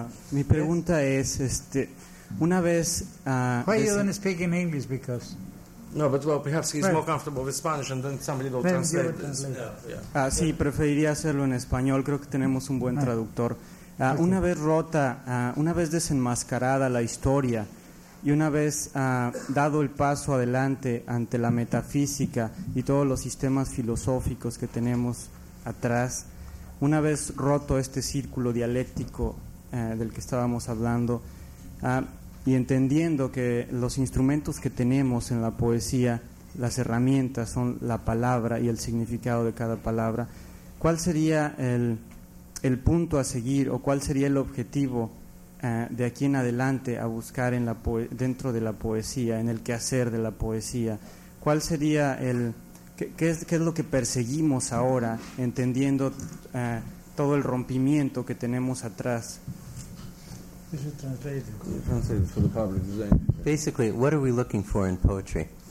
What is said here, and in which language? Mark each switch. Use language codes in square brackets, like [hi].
[es] Mi pregunta es, una vez. [en] Why you don't speak in English? Because. No, but perhaps he's more comfortable with Spanish, and then somebody will translate. [es] Sí, preferiría hacerlo en español. Creo que tenemos un buen traductor. Una vez rota, una vez desenmascarada la historia, y una vez dado el paso adelante ante la metafísica y todos los sistemas filosóficos que tenemos atrás. Una vez roto este círculo dialéctico del que estábamos hablando y entendiendo que los instrumentos que tenemos en la poesía, las herramientas son la palabra y el significado de cada palabra, ¿cuál sería el punto a seguir o cuál sería el objetivo de aquí en adelante a buscar en la dentro de la poesía, en el quehacer de la poesía? ¿Cuál sería el... ¿Qué es lo que perseguimos ahora, entendiendo todo el rompimiento que tenemos atrás? [en] Basically, what are we looking for in poetry?